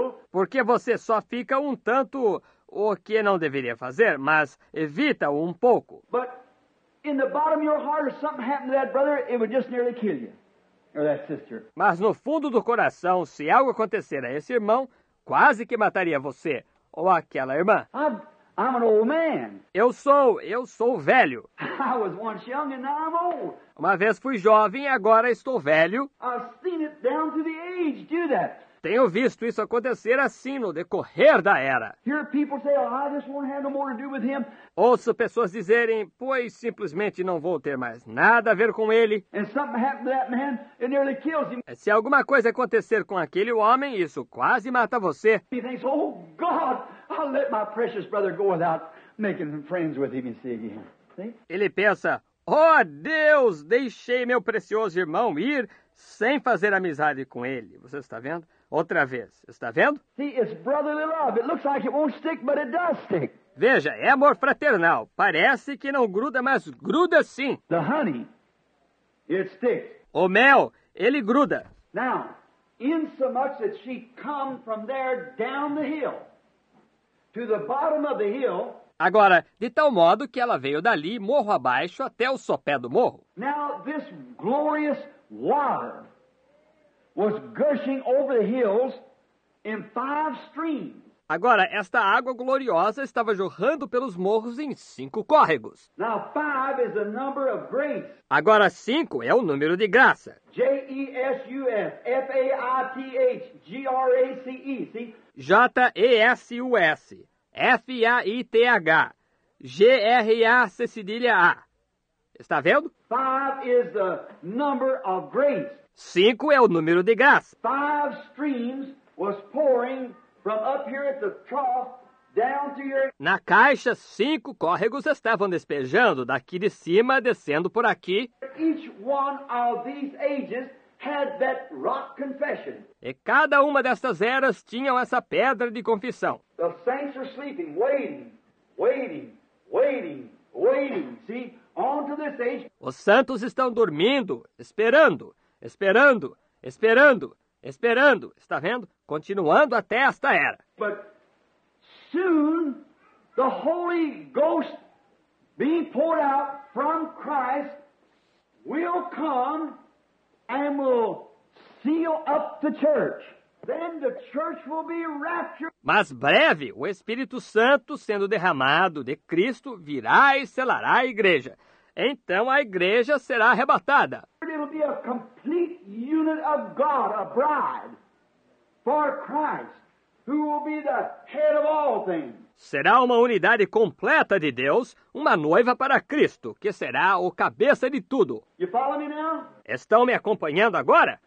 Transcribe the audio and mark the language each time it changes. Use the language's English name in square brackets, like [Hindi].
[Portuguese] Porque você só fica um tanto o que não deveria fazer, mas evita um pouco. [English] But in the bottom of your heart, if something happened to that brother, it would just nearly kill you. Or that sister. [Portuguese] Mas no fundo do coração, se algo acontecer a esse irmão, quase que mataria você ou aquela irmã. [English] I'm an old man. [Portuguese] Eu sou velho. [English] I was once young and now I'm old. [Portuguese] Uma vez fui jovem e agora estou velho. [English] I've seen it down to the age do that. [Portuguese] Tenho visto isso acontecer assim no decorrer da era. [English] Hear people say, oh, I just won't have no more to do with him. [Portuguese] Ouço pessoas dizerem, pois simplesmente não vou ter mais nada a ver com ele. [English] And something happened to that man, it nearly kills him. [Portuguese] Se alguma coisa acontecer com aquele homem, isso quase mata você. [English] He thinks, oh God, I'll let my precious brother go without making friends with him and see again. Ele pensa, oh Deus, deixei meu precioso irmão ir sem fazer amizade com ele. [Portuguese] Você está vendo? Outra vez, está vendo? [English] See, it's brotherly love. It looks like it won't stick, but it does stick. [Portuguese] Veja, é amor fraternal. Parece que não gruda, mas gruda sim. [English] The honey, it sticks. [Portuguese] O mel, ele gruda. [English] Now, in so much that she come from there down the hill, to the bottom of the hill. [Portuguese] Agora, de tal modo que ela veio dali, morro abaixo, até o sopé do morro. [English] Now, this glorious water was gushing over the hills in five streams. [Portuguese] Agora, esta água gloriosa estava jorrando pelos morros em cinco córregos. [English] Now, five is the number of grace. [Portuguese] Agora, cinco é o número de graça. [English] J-E-S-U-S, F-A-I-T-H, G-R-A-C-E, see? [Portuguese] J-E-S-U-S, F-A-I-T-H, G-R-A-C-E-D-L-A. Está vendo? [English] Five is the number of grace. [Portuguese] Cinco é o número de graça. [English] Five streams was pouring from up here at the trough down to your. [Portuguese] Na caixa, cinco córregos estavam despejando daqui de cima, descendo por aqui. [English] Each one of these ages had that rock confession. [Portuguese] E cada uma dessas eras tinham essa pedra de confissão. [English] The saints are sleeping, waiting, waiting, waiting, waiting. See, on to this age. [Portuguese] Os santos estão dormindo, esperando. Esperando, esperando, esperando, está vendo? Continuando até esta era. [English] But soon the Holy Ghost being poured out from Christ will come and will seal up the church. Then the church will be raptured. [Portuguese] Mas breve, o Espírito Santo sendo derramado de Cristo virá e selará a igreja. Então a igreja será arrebatada. [English] It'll be a complete unit of God, a bride for Christ, who will be the head of all things. [Portuguese] Será uma unidade completa de Deus, uma noiva para Cristo, que será o cabeça de tudo. [English] You follow me now? [Portuguese] Estão me acompanhando agora?